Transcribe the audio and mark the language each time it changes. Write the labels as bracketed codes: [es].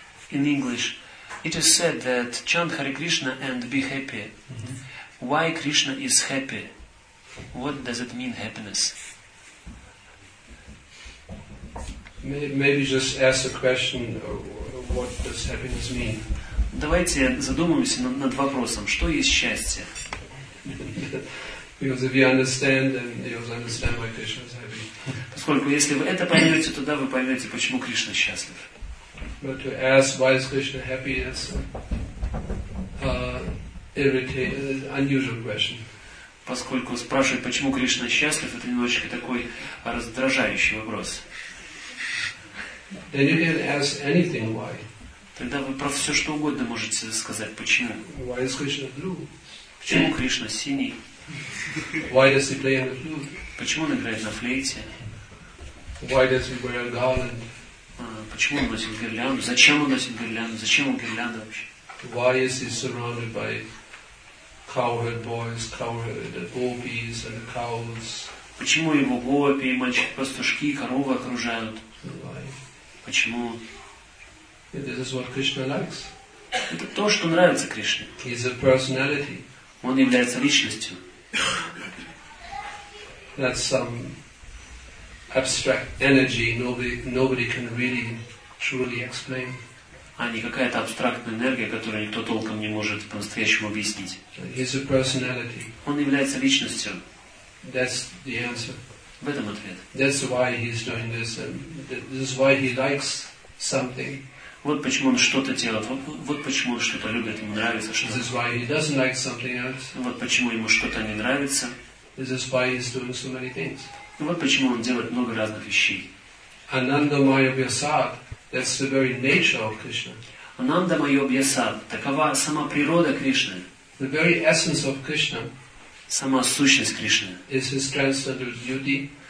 [en] In English, it is said that chant Hare Krishna and be happy. Mm-hmm. Why Krishna is happy? What does it mean happiness? Maybe just ask the question, what does happiness mean? [ru] Давайте задумаемся над вопросом, что есть счастье. [en] Because if you understand, then you also understand why Krishna is happy. [ru] Поскольку если вы это поймете, тогда вы поймете, почему Кришна счастлив. [en] But to ask why is Krishna happy is unusual question. [ru] Поскольку спрашивать, почему Кришна счастлив, это немножечко такой раздражающий вопрос. [en] Then you can ask anything why. [ru] Тогда вы про все что угодно можете сказать, почему. [en] Why is Krishna blue? [ru] Почему Кришна синий? [en] Why does he play on the flute? [ru] Почему он играет на флейте? [en] Why does he wear a garland? [ru] Почему он носит гирлянду? Зачем он носит гирлянду? Зачем он гирлянда вообще? [en] Why is he surrounded by cowherd boys, cowherd gopis and cows? [ru] Почему его гопи, мальчики, пастушки, коровы окружают? [en] Why? [ru] Почему? [en] Yeah, this is what Krishna likes. [ru] Это то, что нравится Кришне. [en] He's a personality. [ru] Он является личностью. [en] That's some abstract energy nobody can really truly explain. [ru] А не какая-то абстрактная энергия, которую никто толком не может по-настоящему объяснить. [en] He's a personality. [ru] Он является личностью. [en] That's the answer. [ru] В этом ответ. [en] That's why he's doing this. This is why he likes something. [ru] Вот почему он что-то делает. Вот почему он что-то любит, ему нравится что-то. [en] This is why he doesn't like something else. [ru] Вот почему ему что-то не нравится. [en] This is why he's doing so many things. [ru] Вот почему он делает много разных вещей. [sa] Ananda Maya Vyasad. [en] That's the very nature of Krishna. [sa] Ананда майо бьясад. [ru] Такова сама природа Кришны. [en] The very essence of Krishna. [ru] Сама сущность Кришны. [en] Is His transcendental beauty.